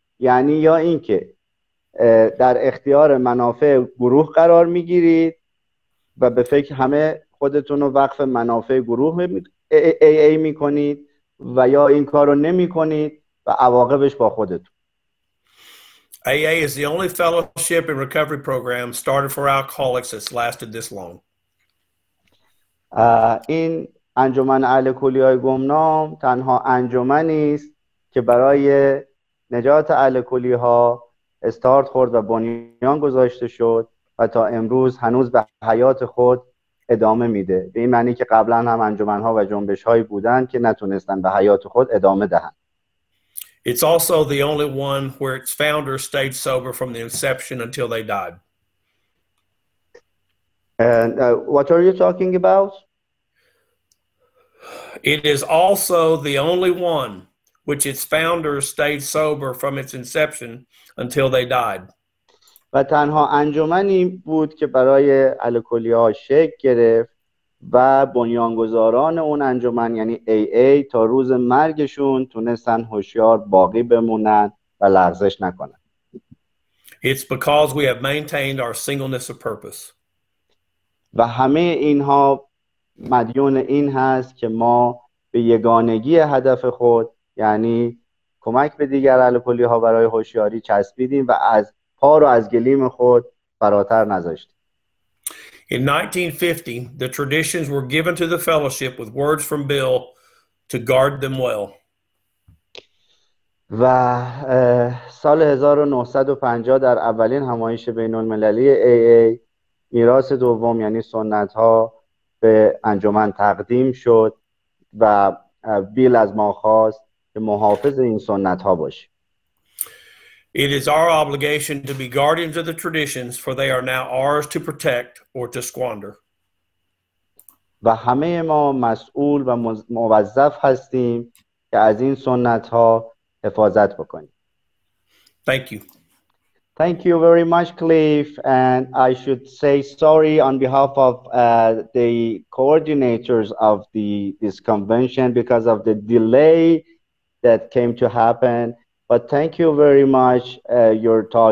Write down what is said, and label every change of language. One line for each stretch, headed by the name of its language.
Persian: یعنی یا اینکه در اختیار منافع گروه قرار میگیرید و به فکر همه خودتون رو وقف منافع گروه AA میکنید و یا این کار رو نمی کنید و عواقبش با خودتون.
English: AA is the only fellowship and recovery program started for alcoholics that's lasted this long.
Persian: این انجمن الکلی‌های گمنام تنها انجمنی است که برای نجات الکلی‌ها استارت خورد و بنیان گذاشته شد و تا امروز هنوز به حیات خود ادامه میده. به این معنی که قبلا هم انجمن‌ها و جنبش‌هایی بودند که نتونستن به حیات خود ادامه دهند.
English: It's also the only one where its founder stayed sober from the inception until they died. And what are you talking about? It is also the only one which its founder stayed sober from its inception until they died.
Persian: و و تنها انجمنی بود که برای الکلی ها شکل گرفت و بنیانگذاران اون انجمن یعنی AA تا روز مرگشون تونستن هوشیار باقی بمونن و لرزش نکنن.
English: It's because we have maintained our singleness of purpose.
Persian: و همه اینها مدیون این هست که ما به یگانگی هدف خود یعنی کمک به دیگر الکلی ها برای هوشیاری چسبیدیم و از پا رو از گلیم خود فراتر نذاشتیم.
English: In 1950, the traditions were given to the fellowship with words from Bill to guard them well.
Persian: و سال 1950 در اولین همایش بین المللی AA میراث دوم یعنی سنت ها به انجمن تقدیم شد و بیل از ما خواست که محافظ این سنت ها باشیم.
English: It is our obligation to be guardians of the traditions, for they are now ours to protect or to squander.
Persian: و همه ما مسئول و موظف هستیم که از این سنت ها حفاظت بکنیم.
English: Thank you. Thank you very much, Cliff. And I should say sorry on behalf of the coordinators of this convention because of the delay that came to happen. But thank you very much, your talk.